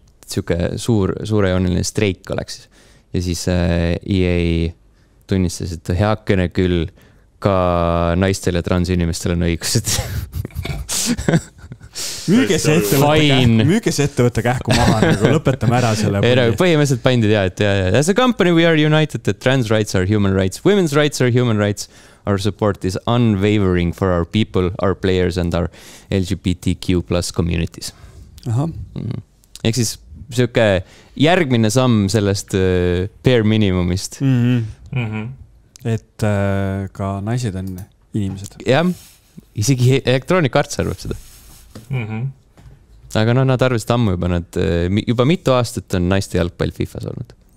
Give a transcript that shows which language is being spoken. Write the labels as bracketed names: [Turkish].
[Estonian] Siuke suurejooniline streik oleks. Ja siis EA tunnistas, et heakene küll ka naistel ja trans inimestel on õigused. Müüge see ettevõtte kähku maha, nagu lõpetame ära selle. Ei, nagu põhimõtteliselt pandid, jah, et jah. [English] As a company we are united that trans rights are human rights, women's rights are human rights, our support is unwavering for our people, our players and our LGBTQ plus communities. Aha. [Estonian] Ehk siis selleke järgmine samm sellest bare minimumist. Mm-hmm. Mm-hmm. Et ka naised on inimesed. Jah. Isegi Electronic Arts arvab seda. Mm-hmm. Aga no, nad arvasid ammu juba, nad juba mitu aastat on naiste jalgpall FIFA's olnud.